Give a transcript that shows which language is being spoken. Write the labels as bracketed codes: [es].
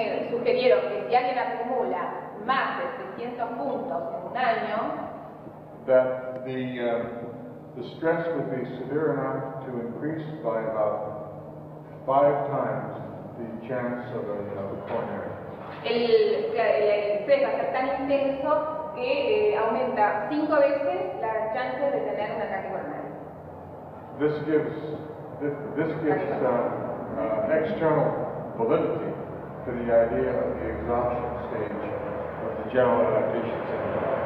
[es] Sugirieron que si alguien acumula más de 300 puntos en un año, [en] that the stress would be severe enough to increase by about 5 times the chance of a coronary. [es] El estrés va a ser tan intenso que aumenta 5 veces la chance de tener un ataque coronario. [en] This gives external validity to the idea of the exhaustion stage of the general adaptation syndrome.